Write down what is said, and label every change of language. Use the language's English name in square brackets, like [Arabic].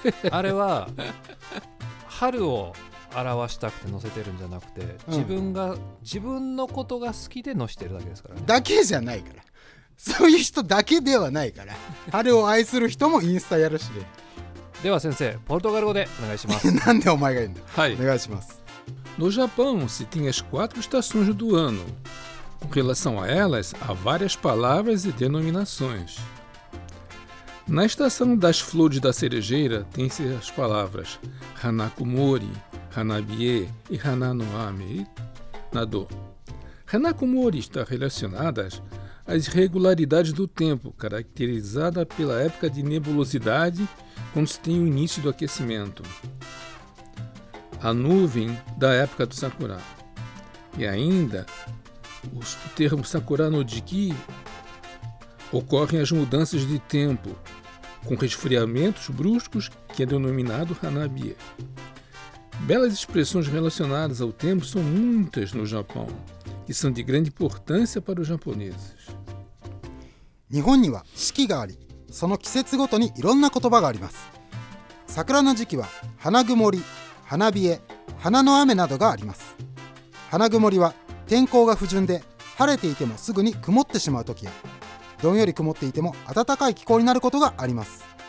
[Japanese] あれは春を表したくて載せてるんじゃなくて、自分が、自分のことが好きで載してるだけですからね。だけじゃないから、そういう人だけではないから春を愛する人もインスタやるしで。では先生、ポルトガル語でお願いしますなんでお前が言うんだ、はい、お願いします。 [Portuguese] No Japão se tem as quatro estações do ano. Com relação a elas, há várias palavras e denominações. Na estação das flores da cerejeira, tem-se as palavras Hanakumori, Hanabie e Hananoame. Nadô. Hanakumori está relacionadas às irregularidades do tempo, caracterizada pela época de nebulosidade, quando se tem o início do aquecimento. A nuvem da época do sakura. E ainda, o termo [Japanese] sakura no jiki, [Portuguese] ocorrem as mudanças de tempo, com resfriamentos bruscos, que é denominado hanabie. Belas expressões relacionadas ao tempo são muitas no Japão, e são de grande importância para os japoneses. [Japanese] 日本には四季があり、その季節ごとにいろんな言葉があります。桜の時期は花曇り、花冷え、花の雨などがあります。花曇りは天候が不順で、晴れていてもすぐに曇ってしまう時や、どんより曇っていても暖かい気候になることがあります。